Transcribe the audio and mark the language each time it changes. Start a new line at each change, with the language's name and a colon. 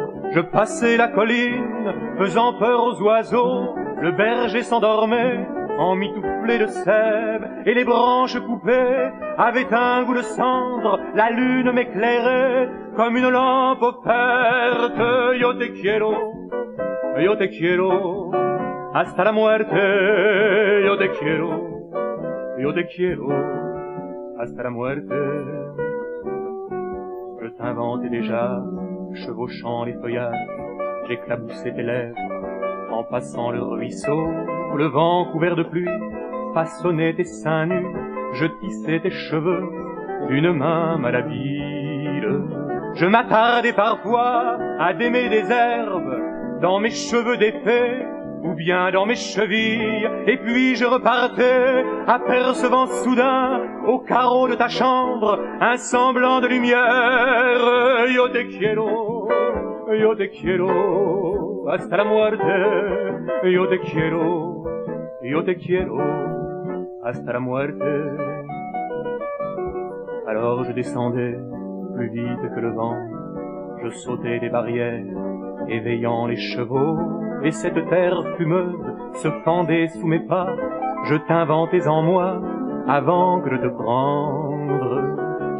French: Je passais la colline, faisant peur aux oiseaux, le berger s'endormait, en mitouflé de sève, et les branches coupées avaient un goût de cendre, la lune m'éclairait comme une lampe offerte.
Spanish: Yo te quiero, yo te quiero, hasta la muerte, yo te quiero, yo te quiero, hasta la muerte.
French: Je t'inventais déjà, chevauchant les feuillages, j'éclaboussais tes lèvres, en passant le ruisseau, le vent couvert de pluie, façonnait tes seins nus, je tissais tes cheveux, d'une main malhabile. Je m'attardais parfois, à démêler des herbes, dans mes cheveux d'épée, ou bien dans mes chevilles, et puis je repartais, apercevant soudain, au carreau de ta chambre, un semblant de lumière.
Spanish: Yo te quiero, yo te quiero, hasta la muerte, yo te quiero, yo te quiero, hasta la muerte.
French: Alors je descendais, plus vite que le vent, je sautais des barrières, éveillant les chevaux, et cette terre fumeuse se fendait sous mes pas, je t'inventais en moi, avant que de te prendre.